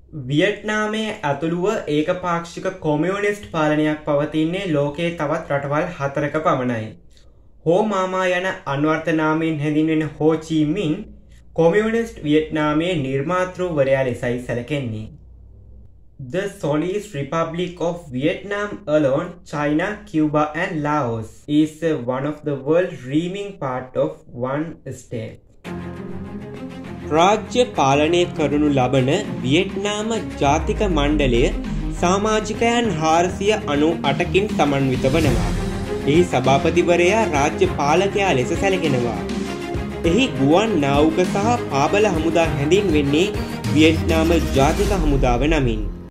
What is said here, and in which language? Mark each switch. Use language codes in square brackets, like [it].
[si] වියට්නාමයේ ඇතුළුව ඒකපාක්ෂික communist පාලනයක් පවතින්නේ ලෝකයේ තවත් රටවල් 4ක පමණයි. හෝ මාමා යන අන්වර්ථ නාමයෙන් හැඳින්වෙන හෝ චී මින් කොමියුනිස්ට් වියට්නාමයේ නිර්මාතෘවරයා ලෙසයි සැලකෙන්නේ. [en] The Socialist Republic of Vietnam alone, China, Cuba and Laos is one of the world's reaming part of one state. [si] රාජ්‍ය පාලනය කරනු ලබන වියට්නාම ජාතික මණ්ඩලය සමාජිකයන් 498කින් සමන්විත වනවා. එහි සභාපතිවරයා රාජ්‍ය පාලකයා ලෙස සැලකෙනවා. එහි ගුවන් නාවික සහ පාබල හමුදා හැඳින්වෙන්නේ වියට්නාම ජාතික හමුදාව නමින්.